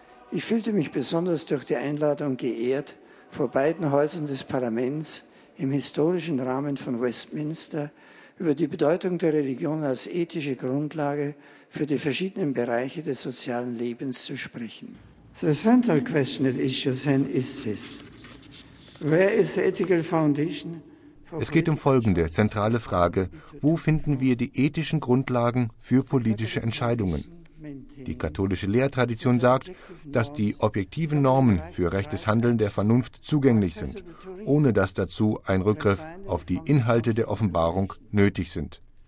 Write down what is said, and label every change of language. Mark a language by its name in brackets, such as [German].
[German] Ich fühlte mich besonders durch die Einladung geehrt, vor beiden Häusern des Parlaments im historischen Rahmen von Westminster über die Bedeutung der Religion als ethische Grundlage für die verschiedenen Bereiche des sozialen Lebens zu sprechen. [English] The central question at issue then is this. Where is the ethical foundation? [German] Es geht um folgende zentrale Frage: Wo finden wir die ethischen Grundlagen für politische Entscheidungen? Die katholische Lehrtradition sagt, dass die objektiven Normen für rechtes Handeln der Vernunft zugänglich sind, ohne dass dazu ein Rückgriff auf die Inhalte der Offenbarung nötig sind.